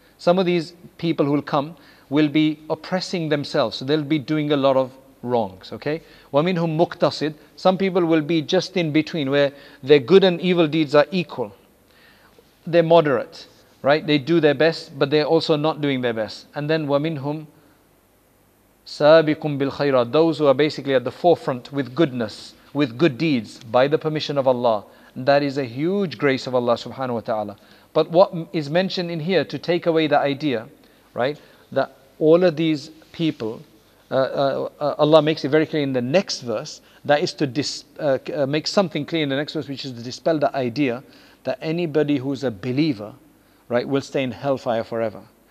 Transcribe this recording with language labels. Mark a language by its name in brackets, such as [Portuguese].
[English] some of these people who will come will be oppressing themselves. So they'll be doing a lot of wrongs, okay? [Arabic] وَمِنْهُمْ مُقْتَصِدْ. [English] Some people will be just in between, where their good and evil deeds are equal. They're moderate, right? They do their best, but they're also not doing their best. And then [Arabic] وَمِنْهُمْ سَابِقُمْ بِالْخَيْرَةِ. [English] Those who are basically at the forefront with goodness, with good deeds, by the permission of Allah. That is a huge grace of Allah subhanahu wa ta'ala. But what is mentioned in here to take away the idea, right, that all of these people, Allah makes it very clear in the next verse, that is to make something clear in the next verse, which is to dispel the idea that anybody who's a believer, right, will stay in hellfire forever.